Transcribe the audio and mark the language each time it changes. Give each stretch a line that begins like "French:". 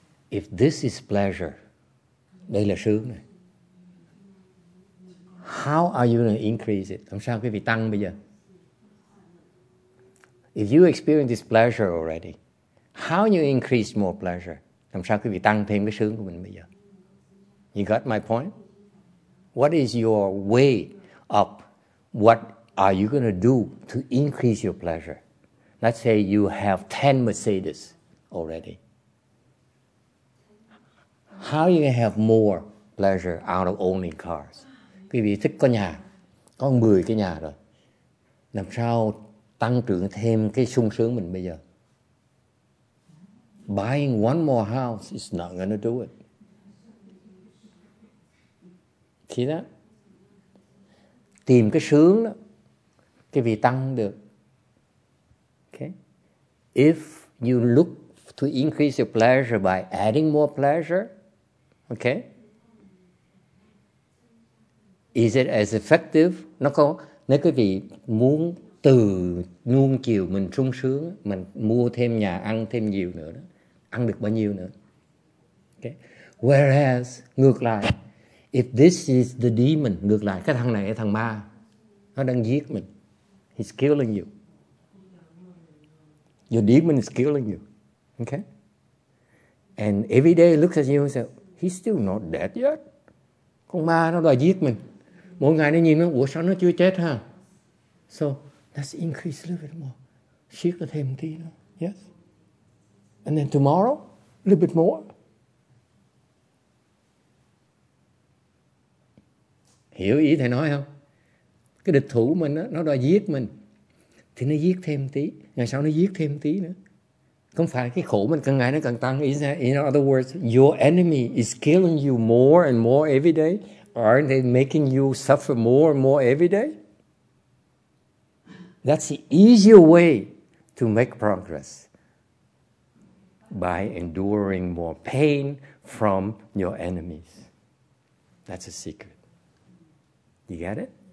English: If this is pleasure,
Vietnamese: đây là sướng này.
English: How are you going to increase it?
Vietnamese: Làm sao quý vị tăng bây giờ?
English: If you experience this pleasure already, how you increase more pleasure?
Vietnamese: Làm sao quý vị tăng thêm cái sướng của mình bây giờ?
English: You got my point? What is your way up? What are you going to do to increase your pleasure? Let's say you have 10 Mercedes already. How are you going to have more pleasure out of owning cars?
Vietnamese: Quý vị thích có nhà, có 10 cái nhà rồi. Làm sao tăng trưởng thêm cái sung sướng mình bây giờ?
English: Buying one more house is not going to do it. See that?
Vietnamese: Tìm cái sướng đó, cái vị tăng được.
English: Okay. If you look to increase your pleasure by adding more pleasure, okay, is it as effective?
Vietnamese: Nó có, nếu quý vị muốn từ nuông chiều mình sung sướng, mình mua thêm nhà ăn thêm nhiều nữa, đó, ăn được bao nhiêu nữa. Okay. Whereas, ngược lại,
English: if this is the demon,
Vietnamese: ngược lại, cái thằng này là thằng ma, nó đang giết mình.
English: He's killing you. Your demon is killing you. Okay? And every day he looks at you and says, he's still not dead yet.
Vietnamese: Con ma nó đòi giết mình. Mỗi ngày nó nhìn nó, ủa sao nó chưa chết ha?
English: So, let's increase a little bit more.
Vietnamese: Siết nó thêm một tí nữa.
English: Yes. And then tomorrow, a little bit more.
Vietnamese: Hiểu ý thầy nói không? Cái địch thủ mình đó, nó đòi giết mình. Thì nó giết thêm tí. Ngày sau nó giết thêm tí nữa. Không phải cái khổ mình càng ngày nó càng tăng.
English: In other words, your enemy is killing you more and more every day. Aren't they making you suffer more and more every day? That's the easier way to make progress. By enduring more pain from your enemies. That's a secret. You get it?